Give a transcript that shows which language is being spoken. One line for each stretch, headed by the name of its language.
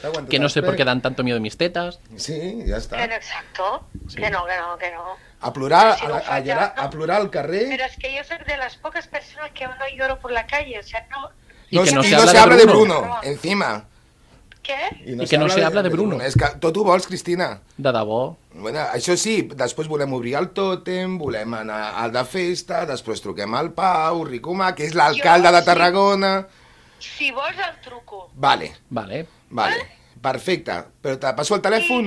Spanish: Que no sé
Catalan: per què
Spanish: dan tanto miedo de mis tetes...
Catalan: Sí, ja està.
Spanish: Que no, exacto. Sí. Que no.
Catalan: A plorar, si no a llorar, no. A plorar al carrer... Però és que jo soc de les poques persones que no lloro per la
Spanish: calle, o sea,
Catalan: no...
Spanish: I que no se habla de Bruno, encima.
Catalan: Què?
Spanish: I que no se habla de Bruno.
Catalan: És que tot ho vols, Cristina. De debò. Bueno, això sí, després volem obrir el tòtem, volem anar al de festa, després truquem al Pau Ricomà, que és l'alcalde de Tarragona... Si vols, el truco. Vale. Vale. Vale. Perfecte. Però te passo el telèfon.